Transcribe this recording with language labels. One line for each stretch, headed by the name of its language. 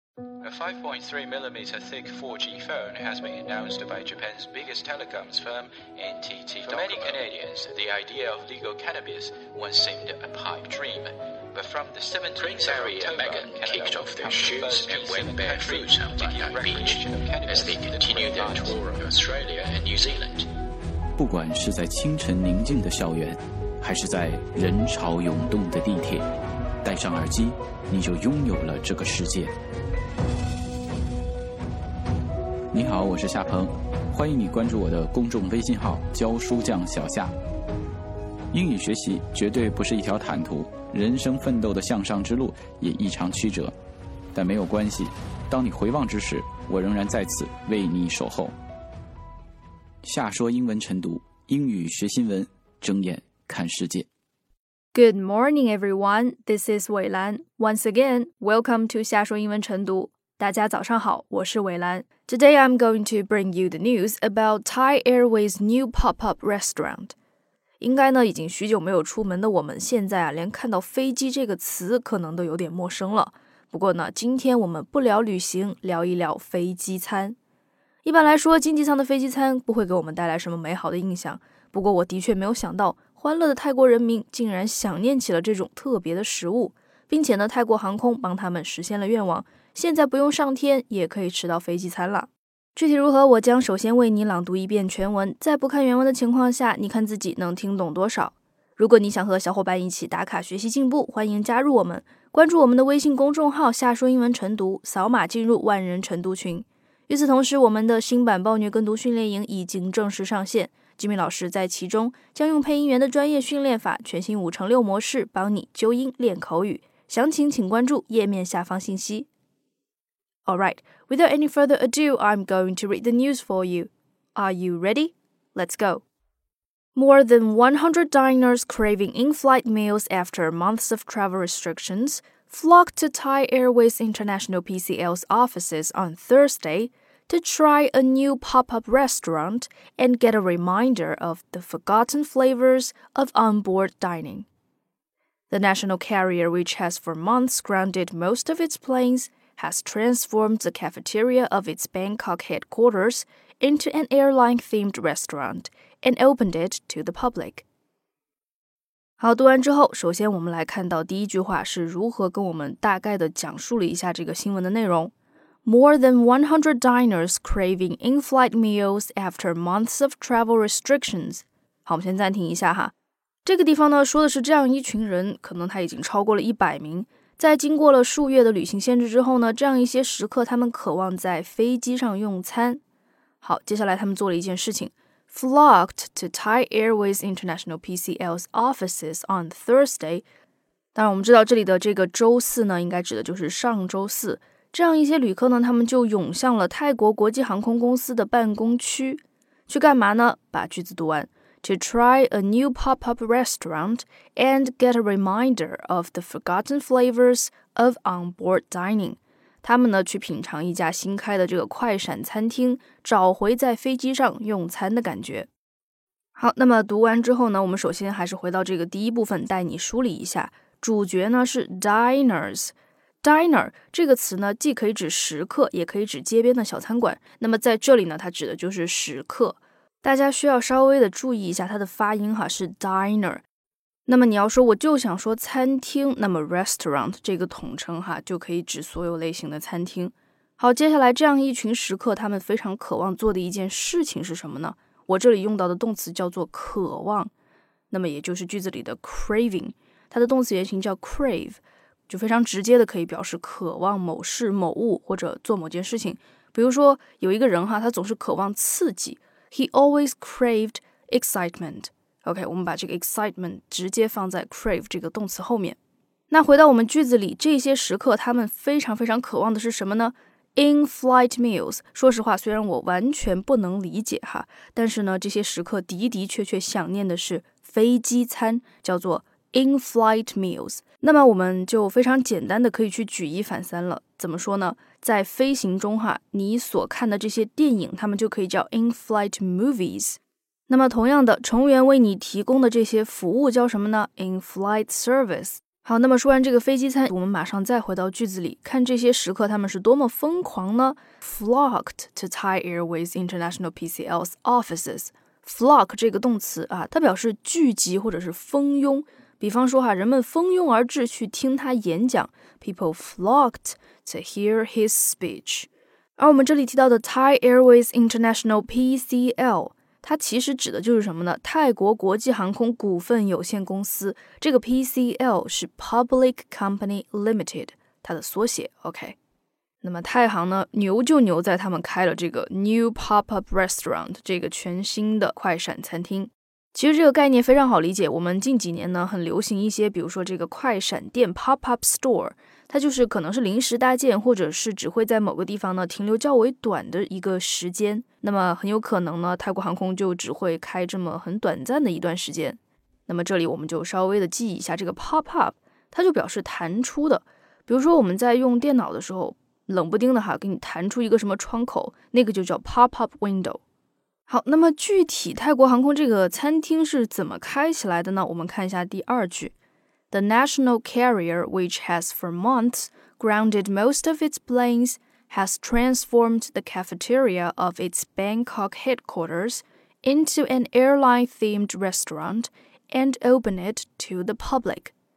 English: A 5.3mm thick 4G phone has been announced by Japan's biggest telecoms firm, NTT Docomo. For many Canadians, the idea of legal cannabis once seemed a pipe dream. But from the 17th of October, Canada kicked off their shoes and went barefoot on Bondi Beach as they continued their tour of Australia and New Zealand.
Chinese: 不管是在清晨宁静的校园，还是在人潮涌动的地铁，戴上耳机，你就拥有了这个世界。你好，我是夏鹏，欢迎你关注我的公众微信号“教书匠小夏”。英语学习绝对不是一条坦途，人生奋斗的向上之路也异常曲折，但没有关系，当你回望之时，我仍然在此为你守候。夏说英文晨读，英语学新闻，睁眼看世界。
English: Good morning, everyone. This is 伟兰. Once again, welcome to 夏说英文晨读。
Chinese: 大家早上好，我是伟兰。
English: Today, I'm going to bring you the news about Thai Airways' new pop-up restaurant.
Chinese: 应该呢，已经许久没有出门的我们，现在啊，连看到飞机这个词可能都有点陌生了。不过呢，今天我们不聊旅行，聊一聊飞机餐。一般来说，经济舱的飞机餐不会给我们带来什么美好的印象。不过我的确没有想到，欢乐的泰国人民竟然想念起了这种特别的食物，并且呢，泰国航空帮他们实现了愿望，现在不用上天也可以吃到飞机餐了。具体如何，我将首先为你朗读一遍全文，在不看原文的情况下，你看自己能听懂多少。如果你想和小伙伴一起打卡学习进步，欢迎加入我们，关注我们的微信公众号夏说英文晨读，扫码进入万人晨读群。与此同时，我们的新版暴虐跟读训练营已经正式上线，吉米老师在其中将用配音员的专业训练法，全新五乘六模式，帮你纠音练口语。详情请关注页面下方信息。
English: Alright, without any further ado, I'm going to read the news for you. Are you ready? Let's go. More than 100 diners craving in-flight meals after months of travel restrictions flocked to Thai Airways International PCL's offices on Thursday to try a new pop-up restaurant and get a reminder of the forgotten flavors of onboard dining. The national carrier, which has for months grounded most of its planes,has transformed the cafeteria of its Bangkok headquarters into an airline-themed restaurant and opened it to the public.
Chinese: 好，读完之后，首先我们来看到第一句话是如何跟我们大概的讲述了一下这个新闻的内容。
English: More than 100 diners craving in-flight meals after months of travel restrictions.
Chinese: 好，我们先暂停一下哈。这个地方呢，说的是这样一群人，可能他已经超过了100名。在经过了数月的旅行限制之后呢，这样一些食客他们渴望在飞机上用餐。好，接下来他们做了一件事情
English: ，flocked to Thai Airways International PCL's offices on Thursday。
Chinese: 当然，我们知道这里的这个周四呢，应该指的就是上周四。这样一些旅客呢，他们就涌向了泰国国际航空公司的办公区，去干嘛呢？把句子读完。
English: To try a new pop-up restaurant and get a reminder of the forgotten flavors of onboard dining.
Chinese: 他们呢去品尝一家新开的这个快闪餐厅，找回在飞机上用餐的感觉。好，那么读完之后呢，我们首先还是回到这个第一部分，带你梳理一下。主角呢是 diners。Diner 这个词呢，既可以指食客，也可以指街边的小餐馆。那么在这里呢，它指的就是食客。大家需要稍微的注意一下它的发音哈，是 diner。那么你要说我就想说餐厅，那么 restaurant 这个统称哈，就可以指所有类型的餐厅。好，接下来这样一群食客，他们非常渴望做的一件事情是什么呢？我这里用到的动词叫做渴望，那么也就是句子里的 craving， 它的动词原形叫 crave， 就非常直接的可以表示渴望某事某物或者做某件事情。比如说有一个人哈，他总是渴望刺激。
English: He always craved excitement.
Chinese: OK, 我们把这个 excitement 直接放在 crave 这个动词后面。那回到我们句子里，这些食客他们非常非常渴望的是什么呢？
English: In-flight meals.
Chinese: 说实话，虽然我完全不能理解哈，但是呢，这些食客的的确确想念的是飞机餐，叫做 in-flight meals. 那么我们就非常简单的可以去举一反三了。怎么说呢？在飞行中哈，你所看的这些电影，他们就可以叫 in-flight movies。那么同样的，乘务员为你提供的这些服务叫什么呢？ in-flight service。好，那么说完这个飞机餐，我们马上再回到句子里，看这些食客他们是多么疯狂呢？ Flocked to Thai Airways International PCL's offices. Flock 这个动词啊，它表示聚集或者是蜂拥。比方说哈，人们蜂拥而至去听他演讲。
English: People flocked to hear his speech.
Chinese: 而我们这里提到的 Thai Airways International PCL,它其实指的就是什么呢？泰国国际航空股份有限公司，这个 PCL 是 Public Company Limited, 它的缩写 ,OK。那么泰航呢，牛就牛在他们开了这个 New Pop-Up Restaurant, 这个全新的快闪餐厅。其实这个概念非常好理解，我们近几年呢很流行一些，比如说这个快闪店 Pop-Up Store, 它就是可能是临时搭建或者是只会在某个地方呢停留较为短的一个时间。那么很有可能呢，泰国航空就只会开这么很短暂的一段时间。那么这里我们就稍微的记一下这个 pop-up, 它就表示弹出的。比如说我们在用电脑的时候，冷不丁的哈，给你弹出一个什么窗口，那个就叫 pop-up window。好，那么具体泰国航空这个餐厅是怎么开起来的呢？我们看一下第二句。
English: The national carrier, which has for months grounded most of its planes,has transformed the cafeteria of its Bangkok headquarters into an airline-themed restaurant and opened it to the public.